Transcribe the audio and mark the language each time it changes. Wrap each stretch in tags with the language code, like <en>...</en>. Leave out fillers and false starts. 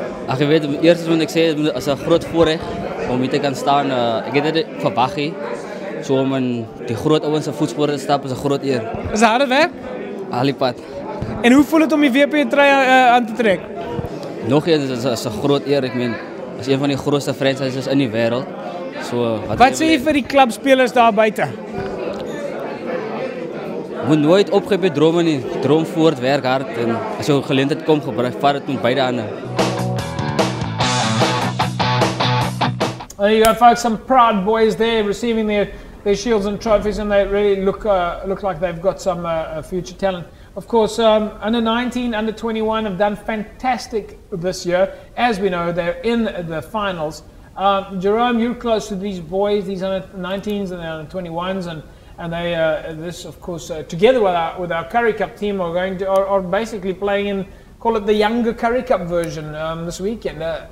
<af>Ag, jy weet, eerstens moet ek sê, dit is 'n groot voorreg om hier te kan staan. Ek het dit verwag nie. So om in die groot ouens se voetspore te stap is 'n groot eer. Is harde werk? Alipad. En hoe voel het om die WP trui aan te trek? Nog eens, is 'n groot eer. Ek meen, is een van die grootste franchises in die wêreld. So, wat sê jy vir die klubspelers daar buite? Moet nooit opgeef met drome nie. Droom voort, werk hard en as jou geleentheid kom, gebruik vat dit met beide hande.</af> <en>There you go, folks. Some proud boys there receiving their shields and trophies, and they really look like they've got some future talent. Of course, under 19, under 21 have done fantastic this year. As we know, they're in the finals. Jerome, you're close to these boys, these under 19s and the under 21s, and they, together with our Curry Cup team, are basically playing in, call it the younger Curry Cup version this weekend.</en>